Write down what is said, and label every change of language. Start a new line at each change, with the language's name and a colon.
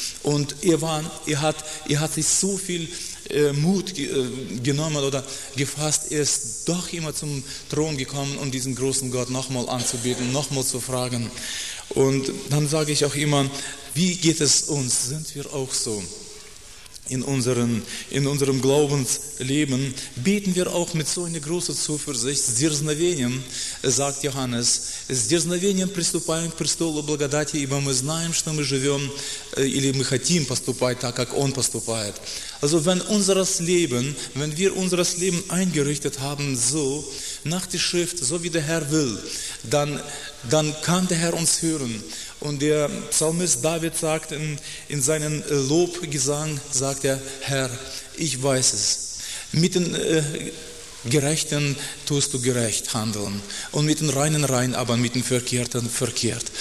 German: Und er hat sich so viel Mut genommen oder gefasst, er ist doch immer zum Thron gekommen, um diesen großen Gott nochmal anzubeten, nochmal zu fragen. Und dann sage ich auch immer, wie geht es uns? Sind wir auch so in unserem Glaubensleben? Beten wir auch mit so einer großen Zuversicht?
Russian: С дерзновением,
German: sagt Johannes,
Russian: с дерзновением приступаем к престолу благодати, ибо мы знаем, что мы живем, или мы хотим поступать так, как Он поступает.
German: Also wenn wir unser Leben eingerichtet haben, so nach der Schrift, so wie der Herr will, dann kann der Herr uns hören. Und der Psalmist David sagt in seinem Lobgesang, sagt er, Herr, ich weiß es, mit den Gerechten tust du gerecht handeln und mit den Reinen rein, aber mit den Verkehrten verkehrt.